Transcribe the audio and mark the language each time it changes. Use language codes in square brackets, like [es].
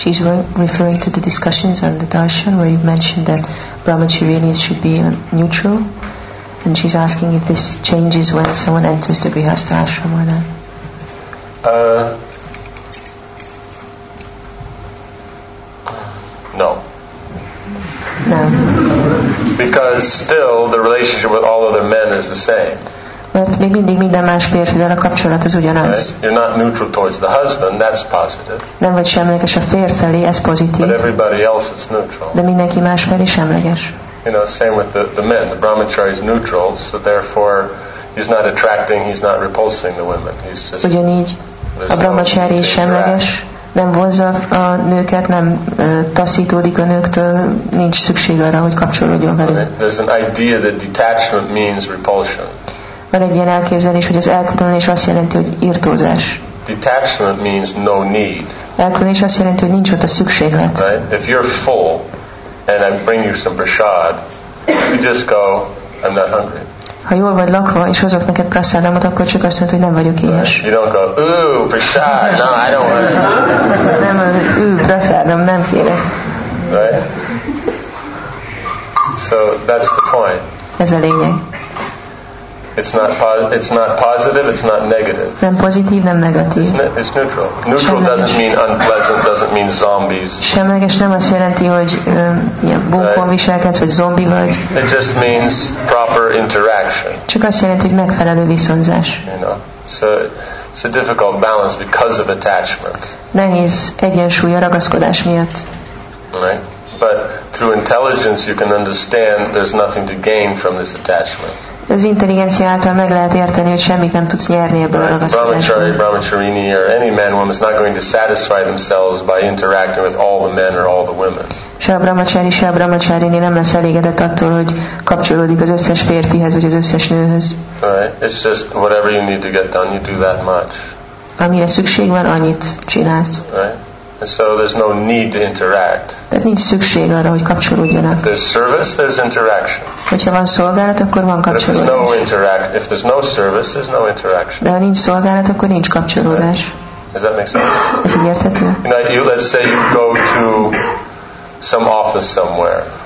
[en] She's referring to the discussions on the darshan where you mentioned that brahmacharya should be neutral, and she's asking if this changes when someone enters the grihastha ashram or not. No. Because still the relationship with all other men is the same. [hu] Még mindig minden más férfivel a kapcsolat az ugyanaz. [en] Right? You're not neutral towards the husband, that's positive. [hu] Nem vagy semleges a férj felé, ez pozitív. [en] But everybody else is neutral. [hu] De mindenki más felé semleges. [en] You know, same with the men. The brahmachari is neutral, so therefore he's not attracting, he's not repulsing the women. He's just [hu] ugyanígy. A brahmacsári is semleges, nem vonza a nőket, nem taszítódik a nőktől, nincs szükség arra, hogy kapcsolódjon velük. [en] There's an idea that detachment means repulsion. [hu] Van egy ilyen elképzelés, hogy az elkülönés azt jelenti, hogy irtózás. [en] Detachment means no need. [hu] Elkülönés azt jelenti, hogy nincs ott a szükséglet. [en] Right? If you're full, and I bring you some prasad, you just go, I'm not hungry. [hu] Ha jól vagy lakva, és hozok neked prasadamot, akkor csak azt mondod, hogy nem vagyok éhes. [en] You don't go, ooh, prasad, no, I don't want it. [hu] Nem, ooh, prasadam, nem kérek. [en] Right? So, that's the point. [hu] Ez a lényeg. [en] It's not positive, it's not negative. [hu] Nem pozitív, nem negatív. [en] It's neutral. Neutral [hu] semleges. [en] Doesn't mean unpleasant, doesn't mean zombies. [hu] Semleges nem azt jelenti, hogy ilyen bunkon viselkedsz, vagy zombi vagy. [en] It just means proper interaction. [hu] Csak azt jelenti, hogy megfelelő viszonzás. [en] You know, so it's a difficult balance because of attachment. [hu] Nehéz egyensúly a ragaszkodás miatt. [en] Right? But through intelligence you can understand there's nothing to gain from this attachment. [hu] Az intelligencia által meg lehet érteni, hogy semmit nem tudsz nyerni ebből a ragaszkodásból. [en] Brahmachari, brahmacharini, or any man, woman is not going to satisfy themselves by interacting with all the men or all the women. [hu] Se a brahmachari, se a brahmacharini nem lesz elégedett attól, hogy kapcsolódik az összes férfihez, vagy az összes nőhöz. [en] Right. It's just whatever you need to get done, you do that much. [hu] Amire szükség van, annyit csinálsz. [en] Right. And so there's no need to interact. [hu] Tehát nincs szükség arra, hogy kapcsolódjanak. [en] There's service, there's interaction. [hu] Hogyha van szolgálat, akkor van kapcsolódás. [en] If there's no service, there's no interaction. [hu] De ha nincs szolgálat, akkor nincs kapcsolódás. [en] Does that make sense? [hu] Ez így érthető? [en] You know, let's say you go to some office somewhere.